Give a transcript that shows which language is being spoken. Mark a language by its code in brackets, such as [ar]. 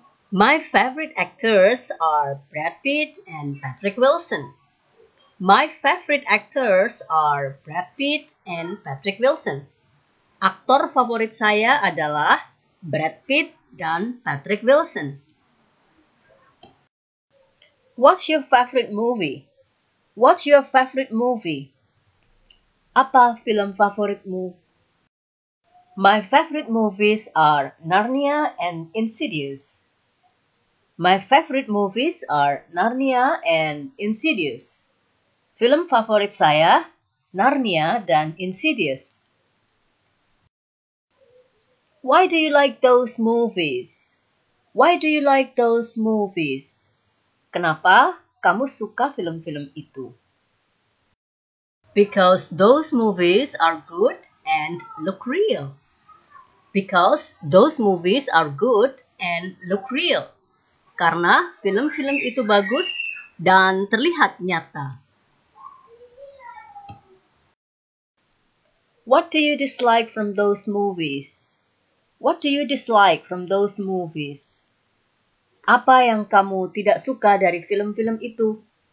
[en] My favorite actors are Brad Pitt and Patrick Wilson. My favorite actors are Brad Pitt and Patrick Wilson. [id] Aktor favorit saya adalah Brad Pitt dan Patrick Wilson. [en] What's your favorite movie? What's your favorite movie? [id] Apa film favoritmu? [en] My favorite movies are Narnia and Insidious. My favorite movies are Narnia and Insidious. [id] Film favorit saya, Narnia dan Insidious. [en] Why do you like those movies? Why do you like those movies? [id] Kenapa kamu suka film-film itu? [en] Because those movies are good and look real. Because those movies are good and look real. [id] Karena film-film itu bagus dan terlihat nyata. [en] What do you dislike from those movies? What do you dislike from those movies? [id] Apa yang kamu tidak suka dari film-film itu?